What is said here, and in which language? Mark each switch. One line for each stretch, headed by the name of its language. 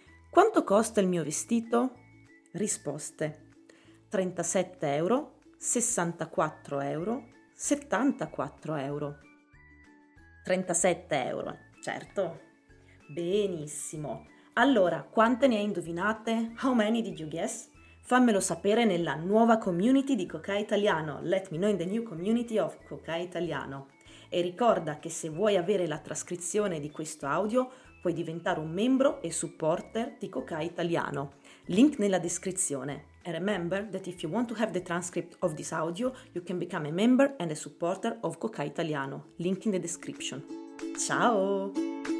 Italian: Quanto costa il mio vestito? Risposte: 37 euro, 64 euro, 74 euro. 37 euro, certo. Benissimo. Allora, quante ne hai indovinate?
English: How many did you guess?
Italian: Fammelo sapere nella nuova community di Coca Italiano.
English: Let me know in the new community of Coca Italiano.
Italian: E ricorda che se vuoi avere la trascrizione di questo audio, puoi diventare un membro e supporter di Coca Italiano. Link nella descrizione.
English: And remember that if you want to have the transcript of this audio, you can become a member and a supporter of Coca Italiano. Link in the description. Ciao!